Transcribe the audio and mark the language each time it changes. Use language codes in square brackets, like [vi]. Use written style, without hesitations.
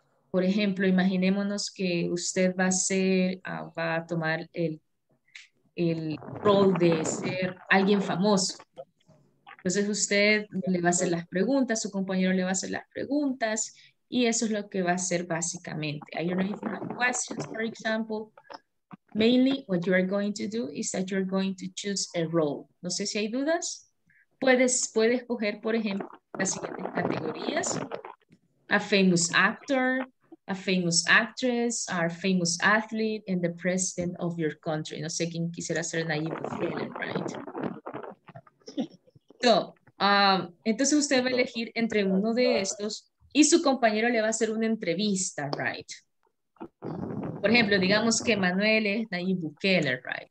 [es] Por ejemplo, imaginémonos que usted va a ser, va a tomar el rol de ser alguien famoso. Entonces usted le va a hacer las preguntas, su compañero le va a hacer las preguntas, y eso es lo que va a hacer básicamente. [en] I don't know if you have questions, for example. Mainly, what you are going to do is that you're going to choose a role. [es] No sé si hay dudas. Puede escoger, por ejemplo, las siguientes categorías. [en] A famous actor, a famous actress, a famous athlete, and the president of your country. [es] No sé quién quisiera ser Nayib Bukele, right? So, entonces usted va a elegir entre uno de estos y su compañero le va a hacer una entrevista, right? Por ejemplo, digamos que Manuel es Nayib Bukele, right?